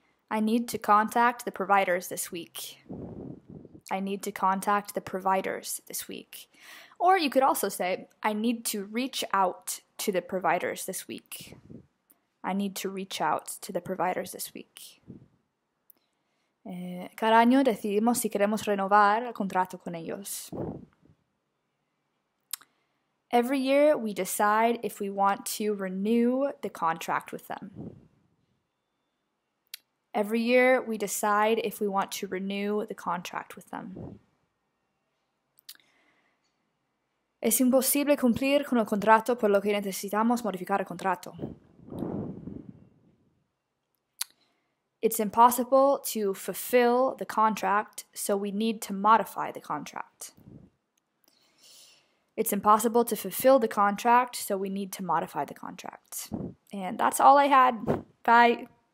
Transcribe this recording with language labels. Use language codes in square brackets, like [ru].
[en] I need to contact the providers this week. I need to contact the providers this week. Or you could also say, I need to reach out to the providers this week. I need to reach out to the providers this week. [es] Cada año decidimos si queremos renovar el contrato con ellos. [en] Every year we decide if we want to renew the contract with them. Every year we decide if we want to renew the contract with them. [es] Es imposible cumplir con el contrato, por lo que necesitamos modificar el contrato. [en] It's impossible to fulfill the contract, so we need to modify the contract. It's impossible to fulfill the contract, so we need to modify the contract. And that's all I had. Bye.